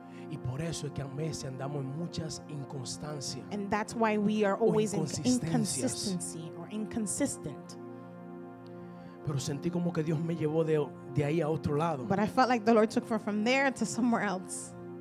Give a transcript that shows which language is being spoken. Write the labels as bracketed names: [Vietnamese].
[Spanish] Y por eso es que a veces andamos en muchas inconstancias. [English] And that's why we are always in inconsistency or inconsistent. [Spanish] Pero sentí como que Dios me llevó de ahí a otro lado. [English] But I felt like the Lord took me from there to somewhere else.